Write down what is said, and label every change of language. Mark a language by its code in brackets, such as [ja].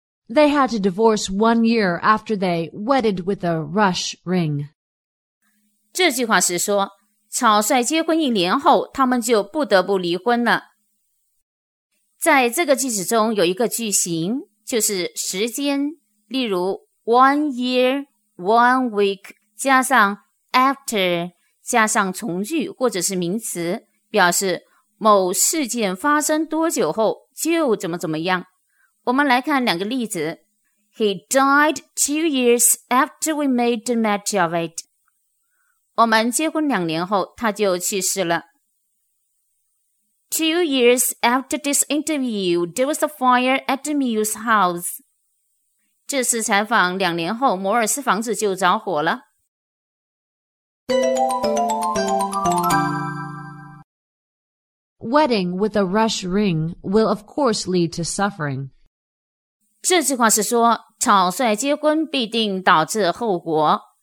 [en] They had to divorce 1 year after they wedded with a rush ring. [zh] 这句话是说，草率结婚一年后，他们就不得不离婚了。在这个句子中有一个句型，就是时间，例如1 year, 1 week, 加上 after, 加上从句或者是名词，表示某事件发生多久后就怎么怎么样。我们来看两个例子。 [en] He died 2 years after we made the match of it. [zh] 我们结婚两年后他就去世了。 [en] 2 years after this interview, there was a fire at the Mills house. [zh] 这次采访两年后，摩尔斯房子就着火了。 [en] Wedding with a rush ring will of course lead to suffering. [zh] 这句话是说，草率结婚必定导致后果。